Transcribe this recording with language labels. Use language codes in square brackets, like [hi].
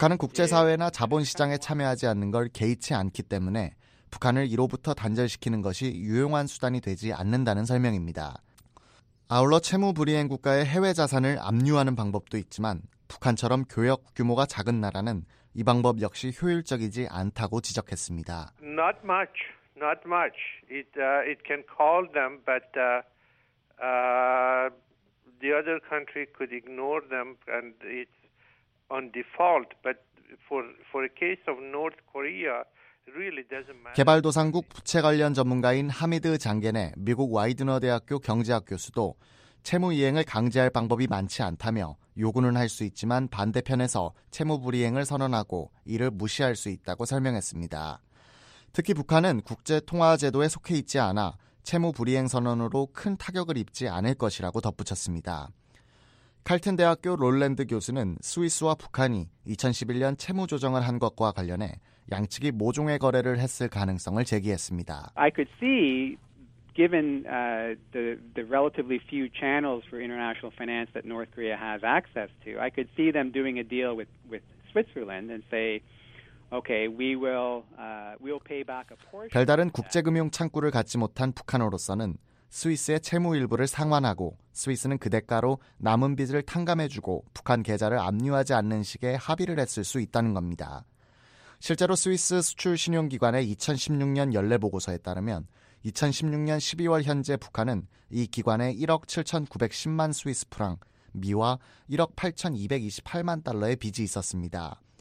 [ko] 북한은 국제사회나 자본시장에 참여하지 않는 걸 개의치 않기 때문에 북한을 이로부터 단절시키는 것이 유용한 수단이 되지 않는다는 설명입니다. 아울러 채무 불이행 국가의 해외 자산을 압류하는 방법도 있지만 북한처럼 교역 규모가 작은 나라는 이 방법 역시 효율적이지 않다고 지적했습니다. [en] Not much, not much. It can call them, but the other country could ignore them and it's on default. But for a case of North Korea, really doesn't matter. [ko] 개발도상국 부채 관련 전문가인 하미드 장겐의 미국 와이드너 대학교 경제학 교수도 채무 이행을 강제할 방법이 많지 않다며 요구는 할 수 있지만 반대편에서 채무 불이행을 선언하고 이를 무시할 수 있다고 설명했습니다. 특히 북한은 국제통화제도에 속해 있지 않아 채무 불이행 선언으로 큰 타격을 입지 않을 것이라고 덧붙였습니다. 칼튼 대학교 롤랜드 교수는 스위스와 북한이 2011년 채무 조정을 한 것과 관련해 양측이 모종의 거래를 했을 가능성을 제기했습니다. [en] I could see given the relatively few channels for international finance that North Korea has access to, I could see them doing a deal with Switzerland and say, okay, we'll pay back a portion. [ko] 별다른 국제금융 창구를 갖지 못한 북한으로서는 스위스의 채무 일부를 상환하고 스위스는 그 대가로 남은 빚을 탕감해주고 북한 계좌를 압류하지 않는 식의 합의를 했을 수 있다는 겁니다. 실제로 스위스 수출신용기관의 2016년 연례보고서에 따르면 2016년 12월 현재 북한은 이 기관에 1억 7,910만 스위스 프랑, 미화 1억 8,228만 달러의 빚이 있었습니다.